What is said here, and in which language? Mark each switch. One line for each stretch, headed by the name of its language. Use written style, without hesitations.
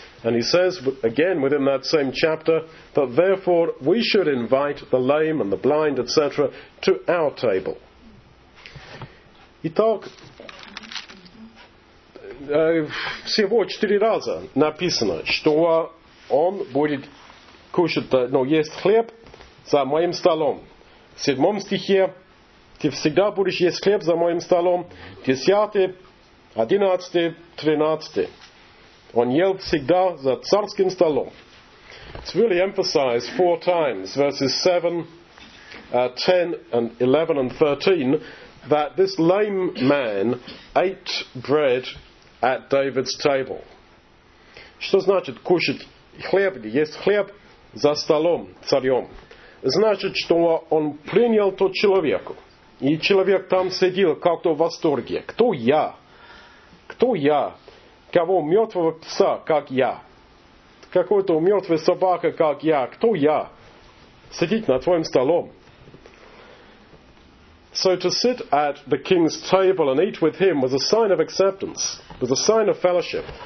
English: And he says again within that same chapter that therefore we should invite the lame and the blind, etc., to our table.
Russian: Итак, всего четыре раза написано, что он будет кушать, но есть хлеб за моим столом. В седьмом стихе ты всегда будешь есть хлеб за моим столом. Десятый, одиннадцатый, тринадцатый. Он ел всегда за царским столом.
English: It's really emphasized four times, verses 7, 10, and 11, and 13, that this lame man ate bread at David's table.
Russian: Что значит кушать хлеб, есть хлеб за столом царем? Значит, что он принял тот человеку, и человек там сидел как-то в восторге. Кто я? Кто я? Кого мертвого пса, как я? Какой-то мертвый собака, как я? Кто я? Сидеть на твоем столом.
English: So to sit at the king's table and eat with him was a sign of acceptance, was a sign of fellowship.